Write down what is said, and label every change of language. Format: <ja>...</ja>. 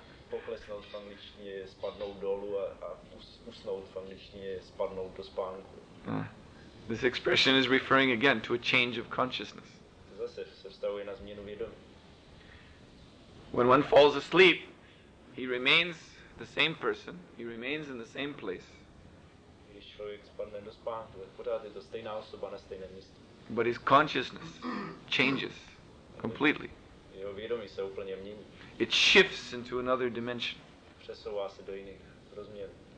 <cs>Poklesnout v angličtině je spadnout dolů a usnout v angličtině je spadnout do spánku.</cs> <en>This expression is referring again to a change of consciousness.</en> <cs>To zase se vztahuje na změnu vědomí.</cs> <en>When one falls asleep, he remains the same person, he remains in the same place.</en> <cs>Když člověk spadne do spánku, pořád je to stejná osoba na stejném místě.</cs> <en>But his consciousness changes completely.</en> <cs>Jeho vědomí se úplně mění.</cs> <en>It shifts into another dimension.</en> <cs>Přesouvá se do jiných rozměrů.</cs>